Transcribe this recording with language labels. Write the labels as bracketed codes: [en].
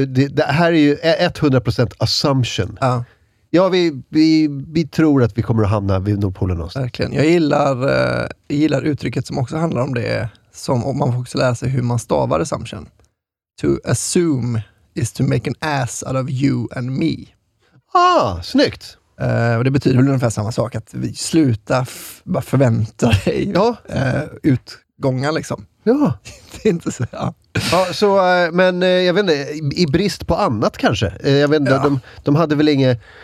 [sv] Det här är ju 100% assumption. Ja, ja vi tror att vi kommer att hamna vid Nordpolen någonstans. Verkligen, jag gillar uttrycket som också handlar om det, som om man får också lära sig hur man stavar assumption. [en] To assume is to make an ass out of you and me. [sv] Ah, snyggt! Och det betyder väl ungefär samma sak, att vi slutar bara förvänta dig utgångar liksom. Ja. Det är inte så. Ja. Ja, så men jag vet inte, i brist på annat kanske. Jag vet inte, ja. De hade väl inget...